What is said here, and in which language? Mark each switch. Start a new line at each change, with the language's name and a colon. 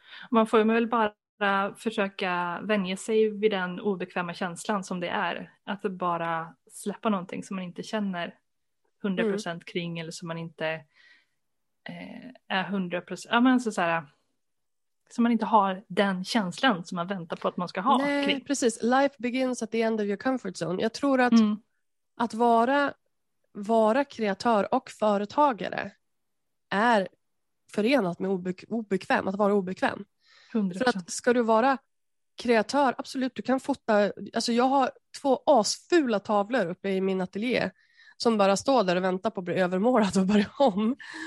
Swedish: Man får ju väl bara försöka vänja sig vid den obekväma känslan som det är. Att bara släppa någonting som man inte känner 100% kring. Eller som man inte är 100%. Ja, men så här, som man inte har den känslan som man väntar på att man ska ha. Nej, kring. Precis.
English: Life begins at the end of your comfort zone.
Swedish: Jag tror att att vara kreatör och företagare är förenat med obekväm, att vara obekväm. 100%. För att ska du vara kreatör, absolut, du kan fota, alltså jag har två asfula tavlor uppe i min ateljé som bara står där och väntar på att bli övermålad och börja om.